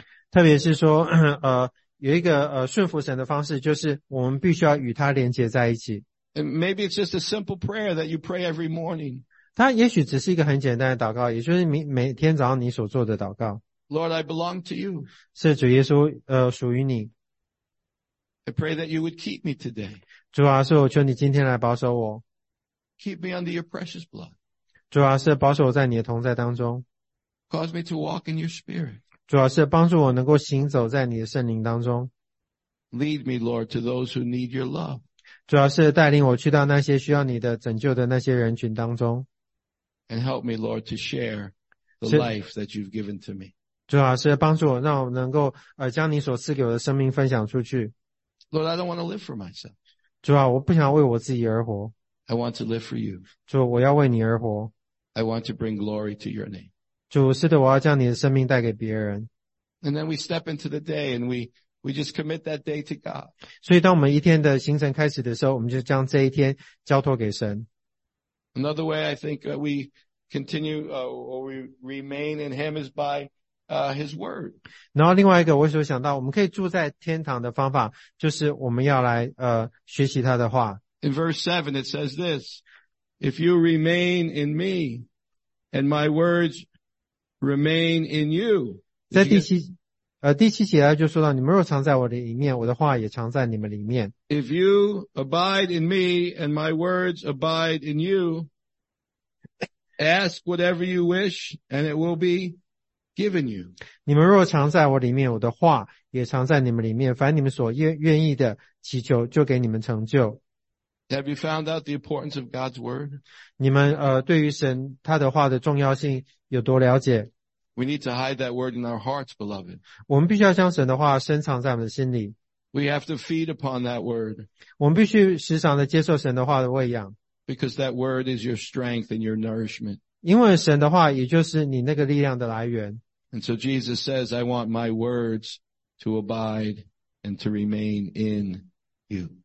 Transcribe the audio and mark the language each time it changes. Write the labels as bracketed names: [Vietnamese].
[Chinese] 特别是说，有一个顺服神的方式，就是我们必须要与他连接在一起。 [English] And maybe it's just a simple prayer that you pray every morning. [Chinese] 它也许只是一个很简单的祷告，也就是每天早上你所做的祷告。 [English] Lord, I belong to you. [Chinese] 是主耶稣，属于你。 [English] I pray that you would keep me today. [Chinese] 主啊，是我求你今天来保守我。 [English] Keep me under your precious blood. [Chinese] 主啊，是保守我在你的同在当中。 [English] Cause me to walk in your spirit. [Chinese] 主啊，是帮助我能够行走在你的圣灵当中。 [English] Lead me, Lord, to those who need your love. [Chinese] 主啊，是带领我去到那些需要你的拯救的那些人群当中。 [English] And help me, Lord, to share the life that you've given to me. [Chinese] 主啊，是帮助我让我能够将你所赐给我的生命分享出去。 [English] Lord, I don't want to live for myself. [Chinese] 主啊，我不想为我自己而活。 [English] I want to live for you. [Chinese] 主，我要为你而活。 [English] I want to bring glory to your name. [Chinese] 主，是的，我要将你的生命带给别人。 [English] And then we step into the day and we just commit that day to God. [Chinese] 所以当我们一天的行程开始的时候，我们就将这一天交托给神。 [English] Another way I think we continue or we remain in him is by his word. [Chinese] 然后另外一个我所想到我们可以住在天堂的方法，就是我们要来学习他的话。 [English] In verse 7 it says this, if you remain in me and my words remain in you. [Chinese] 在第七节他就说到，你们若藏在我的里面，我的话也藏在你们里面。 [English] If you abide in me and my words abide in you, ask whatever you wish and it will be given you. [Chinese] 你们若藏在我里面，我的话也藏在你们里面，凡你们所愿意的祈求就给你们成就。 [English] Have you found out the importance of God's word? [Chinese] 你们对于神他的话的重要性有多了解？ [English] We need to hide that word in our hearts, beloved. [Chinese] 我们必须要将神的话深藏在我们的心里。 [English] We have to feed upon that word. [Chinese] 我们必须时常的接受神的话的喂养。 [English] Because that word is your strength and your nourishment. [Chinese] 因为神的话也就是你那个力量的来源。 [English] And so Jesus says, I want my words to abide and to remain in you.